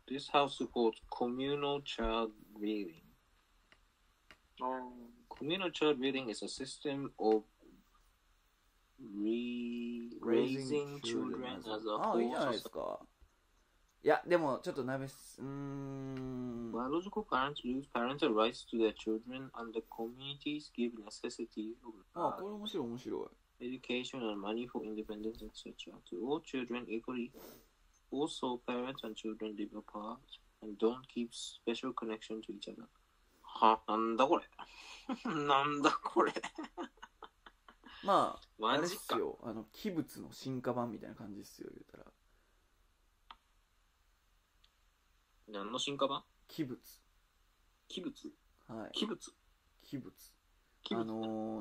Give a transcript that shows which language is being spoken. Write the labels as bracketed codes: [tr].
[en] This house holds communal child rearing. Communal child rearing is a system of raising children as a whole. [ja] あ、いいじゃないですか。いや、でもちょっとなべす、 [en] Biological parents use parental rights to their children and the communities give necessity of life. [ja] あ、これ面白い、面白い。 [en] Education and money for independence, etc. To all children equally. Also, parents and children live apart and don't keep special connection to each other. [ja] は、なんだこれ。なんだこれ。まあ、マジか。あれっすよ、あの、器物の進化版みたいな感じっすよ、言うたら。何の進化版？器物。器物？はい。器物。器物。